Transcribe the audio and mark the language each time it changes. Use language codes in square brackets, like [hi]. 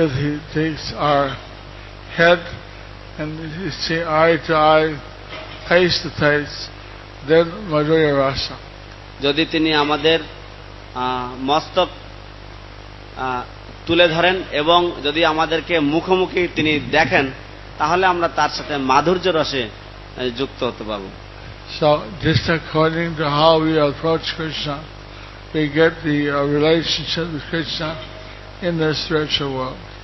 [en] if he takes our head and he say eye to eye face to face then madhurya rasa [bn] যদি তিনি আমাদের মস্তক তুলে ধরেন এবং যদি আমাদেরকে মুখোমুখি তিনি দেখেন তাহলে আমরা তার সাথে মাধুর্য রসে যুক্ত হতে পারব। [en] So just according to how we approach Krishna, we get the relationship with Krishna in the spiritual world.